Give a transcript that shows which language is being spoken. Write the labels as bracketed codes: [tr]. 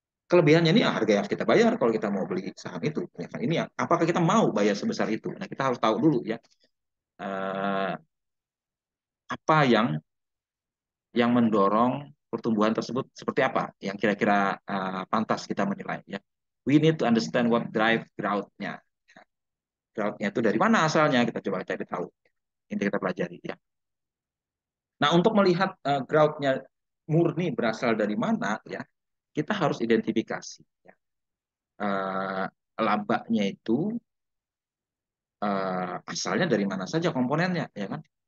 [id] Kelebihannya ini harga yang kita bayar kalau kita mau beli saham itu ya, kan? Ini ya, apakah kita mau bayar sebesar itu? Nah, kita harus tahu dulu ya apa yang mendorong pertumbuhan tersebut seperti apa yang kira-kira pantas kita menilai ya. [en] We need to understand what drive growth-nya. [id] Growth-nya itu dari mana asalnya, kita coba cari tahu. Ini kita pelajari ya. Nah, untuk melihat growth-nya murni berasal dari mana ya, kita harus identifikasi ya. Labanya itu asalnya dari mana saja komponennya ya kan.